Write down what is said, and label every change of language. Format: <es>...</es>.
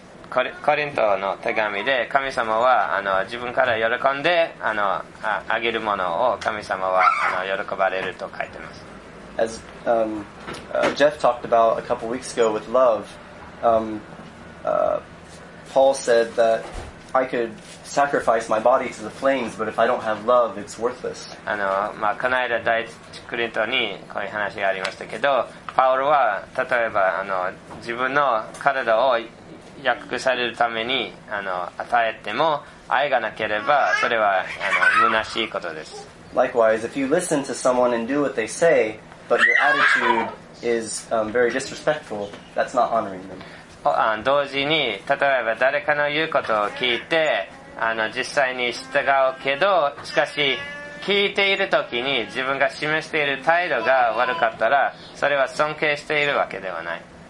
<ja>コリントの手紙で神様は自分から喜んで あげるものを神様は喜ばれると書いてます。</ja> <en>As Jeff talked about a couple weeks ago with love, Paul said that I could sacrifice my body to the flames, but if I don't have love, it's worthless.</en> <ja>まあ、この間第一コリントにこういう話がありましたけど、パウロは例えば自分の体を約束されるために与えても愛がなければそれは虚しいことです。</ja> <en>Likewise, if you listen to someone and do what they say, but your attitude is very disrespectful, that's not honoring them.</en> <ja>同時に例えば誰かの言うことを聞いて実際に従うけど、しかし聞いているときに自分が示している態度が悪かったらそれは尊敬しているわけではない。</ja>